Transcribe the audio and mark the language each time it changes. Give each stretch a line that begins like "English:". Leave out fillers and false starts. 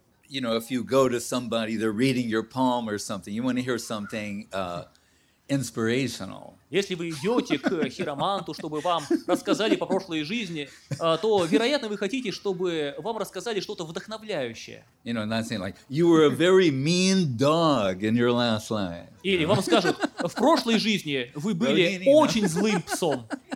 English: You know, if you go to somebody, they're reading your palm or something, you want to hear something inspirational.
Russian: Если вы идете к хироманту, чтобы вам рассказали по прошлой жизни, то, вероятно, вы хотите, чтобы вам рассказали что-то вдохновляющее.
English: You know, not saying like, you were a very mean dog in your last life.
Russian: Или вам скажут, в прошлой жизни вы были очень злым псом.